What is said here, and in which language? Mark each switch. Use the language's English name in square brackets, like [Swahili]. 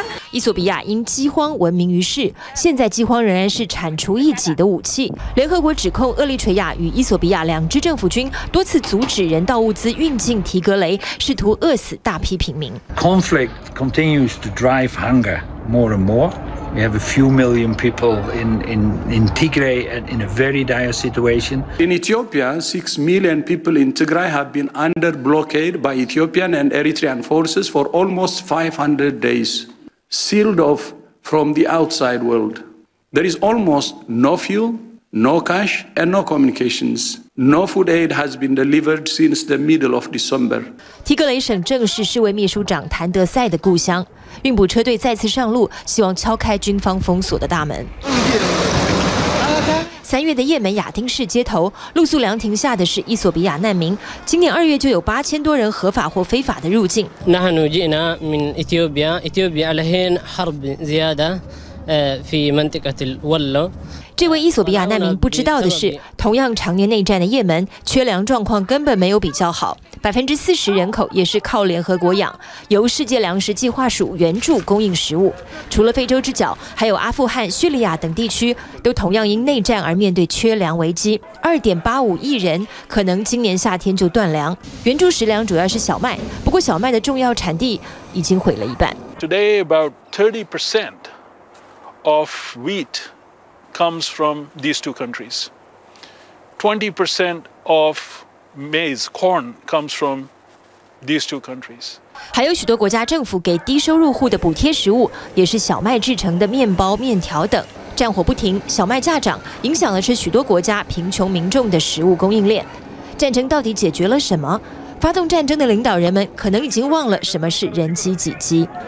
[Chinese] 伊索比亚因饥荒闻名于世，现在饥荒仍然是铲除异己的武器。联合国指控厄立垂亚与伊索比亚两支政府军多次阻止人道物资运进提格雷，试图饿死大批平民。 [English] Conflict continues to drive hunger more and more. We have a few million people in Tigray and in a very dire situation. In Ethiopia, 6 million people in Tigray have been under blockade by Ethiopian and Eritrean forces for almost 500 days, sealed off from the outside world. There is almost no fuel. No cash and no communications. No food aid has been delivered since the middle of December. [Chinese] 提格雷省正是世卫秘书长谭德赛的故乡。运补车队再次上路，希望敲开军方封锁的大门。三月的也门亚丁市街头，露宿凉亭下的是伊索比亚难民。今年二月就有8000多人合法或非法的入境。这位伊索比亚难民不知道的是，同样常年内战的也门，缺粮状况根本没有比较好。 40%人口也是靠联合国养，由世界粮食计划署援助供应食物。除了非洲之角，还有阿富汗、叙利亚等地区，都同样因内战而面对缺粮危机。 2.85亿人可能今年夏天就断粮。援助食粮主要是小麦，不过小麦的重要产地已经毁了一半。 [English] Today about 30% of wheat comes from these two countries. 20% of maize, corn comes from these two countries. [Chinese] 还有许多国家政府给低收入户的补贴食物，也是小麦制成的面包、面条等。战火不停，小麦价涨，影响的是许多国家贫穷民众的食物供应链。战争到底解决了什么？发动战争的领导人们可能已经忘了什么是人机几机。